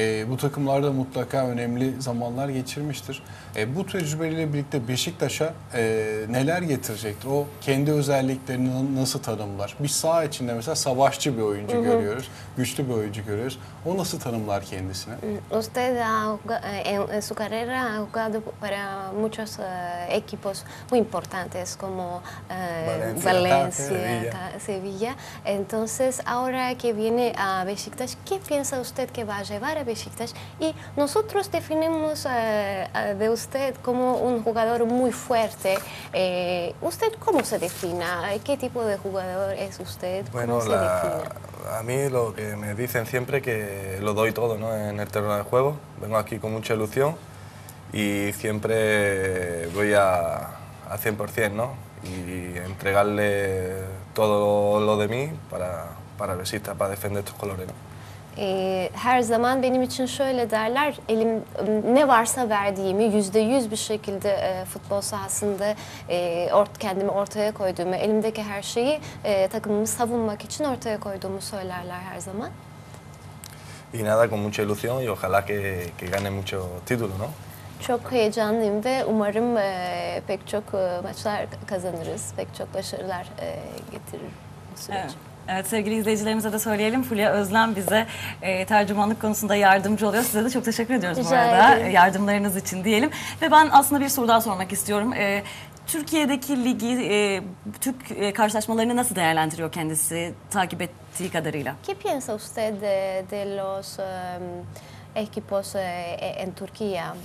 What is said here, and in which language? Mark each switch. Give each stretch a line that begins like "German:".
Turkish: Bu takımlarda mutlaka önemli zamanlar geçirmiştir. Bu tecrübeyle birlikte Beşiktaş'a neler getirecektir? O kendi özelliklerini nasıl tanımlar? Bir sağ içinde mesela savaşçı bir oyuncu görüyoruz. Güçlü bir oyuncu görüyoruz. O nasıl tanımlar kendisini?
Spanish: Usted en su carrera ha jugado para muchos equipos muy importantes como Valencia, Sevilla. Entonces, ahora que viene a Beşiktaş, ¿qué piensa usted que va a llevar a Beşiktaş? Y nosotros definimos de usted como un jugador muy fuerte. ¿Usted cómo se defina? ¿Qué tipo de jugador es usted? Bueno, a mí lo que me dicen siempre que lo doy todo, ¿no?, en el terreno de juego. Vengo aquí con mucha ilusión y siempre voy a 100%, ¿no? Y entregarle todo lo de mí para Beşiktaş, para defender estos colores, ¿no?
Turkish: Her zaman benim için şöyle derler, elim ne varsa verdiğimi %100 bir şekilde futbol sahasında kendimi ortaya koyduğumu, elimdeki her şeyi takımımı savunmak için ortaya koyduğumu söylerler her zaman.
Spanish: Y nada, con mucha ilusión y ojalá que gane mucho título, ¿no?
Turkish: Çok heyecanlıyım ve umarım pek çok maçlar kazanırız, pek çok başarılar getirir bu süreç. Evet. Evet, sevgili izleyicilerimize de söyleyelim. Fulya Özlem bize tercümanlık konusunda yardımcı oluyor. Size de çok teşekkür ediyoruz bu arada yardımlarınız için diyelim. Ve ben aslında bir soru daha sormak istiyorum. Türkiye'deki ligi, Türk karşılaşmalarını nasıl değerlendiriyor kendisi takip ettiği kadarıyla?
Spanish: ¿Qué piensa usted de los equipos en Turquía?